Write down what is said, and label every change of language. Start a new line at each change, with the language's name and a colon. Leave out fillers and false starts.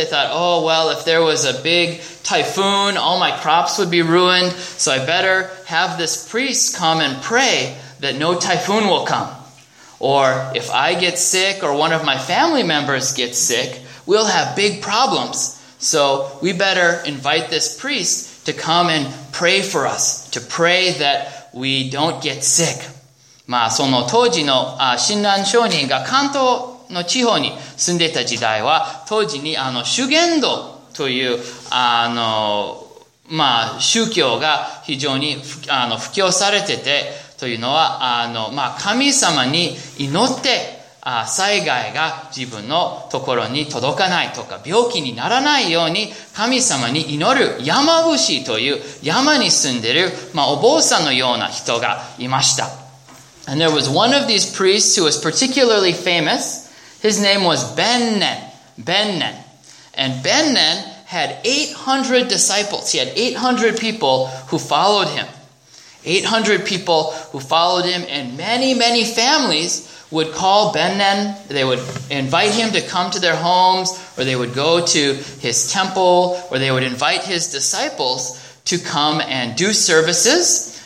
English: They thought, oh, well, if there was a big typhoon, all my crops would be ruined, so I better have this priest come and pray that no typhoon will come. Or if I get sick or one of my family members gets sick, we'll have big problems. So we better invite this priest to come and pray for us, to pray that we don't get sick.
Japanese: まあその当時の親鸞聖人が関東の地方に住んでいた時代は、当時にあの修験道というあのまあ宗教が非常に布教されてて、というのはあのまあ神様に祈って災害が自分のところに届かないとか病気にならないように神様に祈る山伏という山に住んでる、まあ、お坊さんのような人がいました。
English: And there was one of these priests who was particularly famous. His name was Bennen. Bennen. And Bennen had 800 disciples. He had 800 people who followed him. 800 people who followed him, and many, many families would call Bennen, they would invite him to come to their homes, or they would go to his temple, or they would invite his disciples to come and do services.